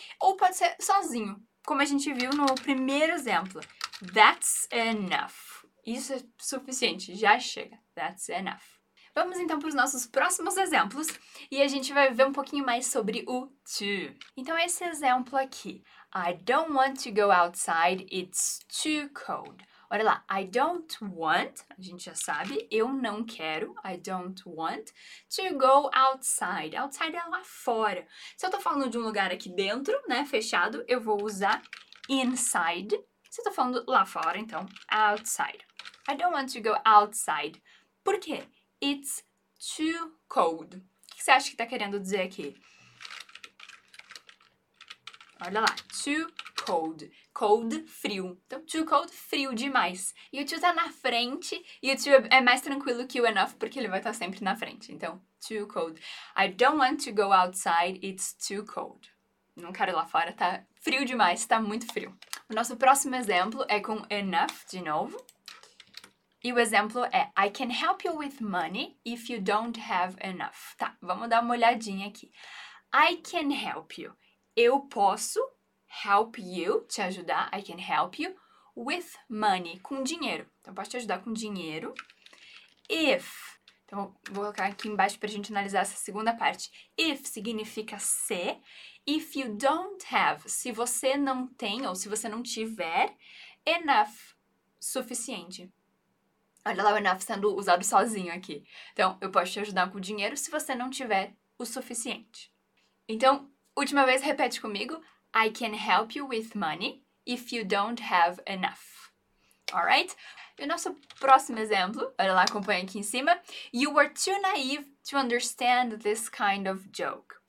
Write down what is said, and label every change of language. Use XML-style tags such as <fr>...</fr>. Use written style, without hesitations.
<pt>Ou pode ser sozinho, como a gente viu no primeiro exemplo.</pt> <en>That's enough.</en> <pt>Isso é suficiente, já chega. That's enough. Vamos então para os nossos próximos exemplos e a gente vai ver um pouquinho mais sobre o to. Então, esse exemplo aqui.</pt> <en>I don't want to go outside, it's too cold.</en> <pt>Olha lá,</pt> <en>I don't want,</en> <pt>a gente já sabe, eu não quero,</pt> <en>I don't want to go outside.</en> <pt>Outside é lá fora. Se eu tô falando de um lugar aqui dentro, né, fechado, eu vou usar inside. Se eu tô falando lá fora, então, outside.</pt> <en>I don't want to go outside.</en> <pt>Por quê?</pt> <en>It's too cold.</en> <pt>O que você acha que tá querendo dizer aqui? Olha lá,</pt> <en>too cold.</en> <pt>Cold, frio. Então, too cold, frio demais. E o to tá na frente, e o to é mais tranquilo que o enough, porque ele vai estar sempre na frente. Então, too cold.</pt> <en>I don't want to go outside, it's too cold.</en> <pt>Não quero ir lá fora, tá frio demais, tá muito frio. O nosso próximo exemplo é com enough de novo. E o exemplo é</pt> <en>I can help you with money if you don't have enough.</en> <pt>Tá, vamos dar uma olhadinha aqui.</pt> <en>I can help you.</en> <pt>Eu posso help you, te ajudar,</pt> <en>I can help you with money,</en> <pt>com dinheiro. Então, posso te ajudar com dinheiro. If, então, vou colocar aqui embaixo para a gente analisar essa segunda parte. If significa se.</pt> <en>If you don't have,</en> <pt>se você não tem ou se você não tiver enough, suficiente. Olha lá o enough sendo usado sozinho aqui. Então, eu posso te ajudar com dinheiro se você não tiver o suficiente. Então, última vez, repete comigo.</pt> <en>I can help you with money if you don't have enough. Alright?</en> <pt>E o nosso próximo exemplo, olha lá, acompanha aqui em cima.</pt> <en>You were too naive to understand this kind of joke.</en>